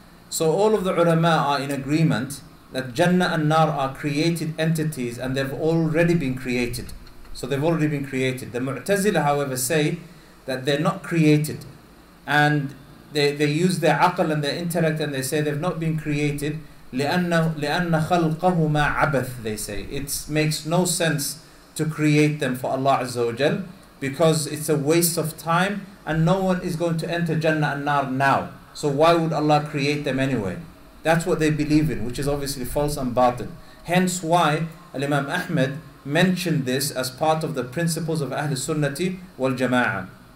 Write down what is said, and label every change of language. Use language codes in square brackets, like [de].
[en] So all of the ulama are in agreement that Jannah and Nar are created entities and they've already been created. So they've already been created. The Mu'tazila, however, say that they're not created. And they use their aql and their intellect and they say they've not been created. [ar] لأن خلقهما عبث, [en] they say. It makes no sense to create them for Allah Azza wa Jal because it's a waste of time and no one is going to enter Jannah and Nar now. So why would Allah create them anyway? That's what they believe in, which is obviously false and batil. Hence why Al-Imam Ahmed mentioned this as part of the principles of Ahl Sunnati wal Jama'ah.